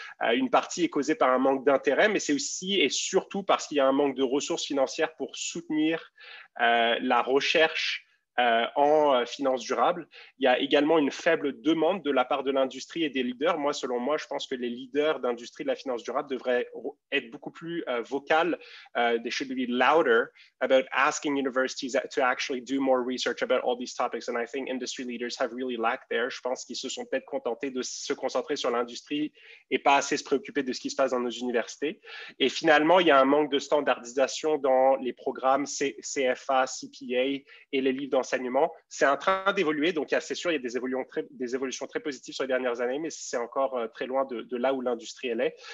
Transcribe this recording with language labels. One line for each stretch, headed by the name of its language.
French: Une partie est causée par un manque d'intérêt, mais c'est aussi et surtout parce qu'il y a un manque de ressources financières pour soutenir la recherche en finance durable. Il y a également une faible demande de la part de l'industrie et des leaders. Moi, selon moi, je pense que les leaders d'industrie de la finance durable devraient être beaucoup plus vocales.
English: They should be louder about asking universities to actually do more research about all these topics. And I think industry leaders have really lacked there.
French: Je pense qu'ils se sont peut-être contentés de se concentrer sur l'industrie et pas assez se préoccuper de ce qui se passe dans nos universités. Et finalement, il y a un manque de standardisation dans les programmes CFA, CPA et les livres d'enseignement. C'est en train d'évoluer, donc c'est sûr, il y a des évolutions très positives sur les dernières années, mais c'est encore très loin de là où l'industrie elle est.